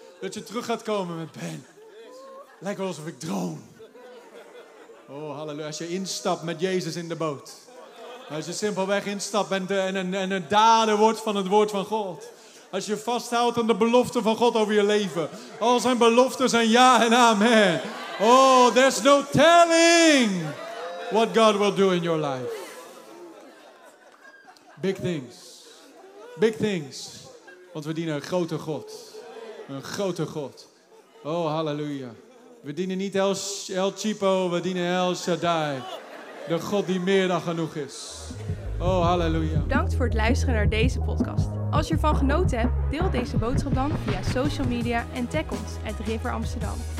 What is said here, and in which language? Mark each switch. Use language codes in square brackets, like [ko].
[nl] Dat je terug gaat komen met: Ben, lijkt wel alsof ik droom. Oh, halleluja. Als je instapt met Jezus in de boot. Als je simpelweg instapt en een dader wordt van het woord van God. Als je vasthoudt aan de belofte van God over je leven. Al zijn beloften zijn ja en amen. [en] Oh, there's no telling what God will do in your life. Big things. Big things. [nl] Want we dienen een grote God. Een grote God. Oh, halleluja. We dienen niet El Chipo, we dienen El Shaddai. De God die meer dan genoeg is. Oh, halleluja. Bedankt voor het luisteren naar deze podcast. Als je ervan genoten hebt, deel deze boodschap dan via social media en tag ons @River Amsterdam.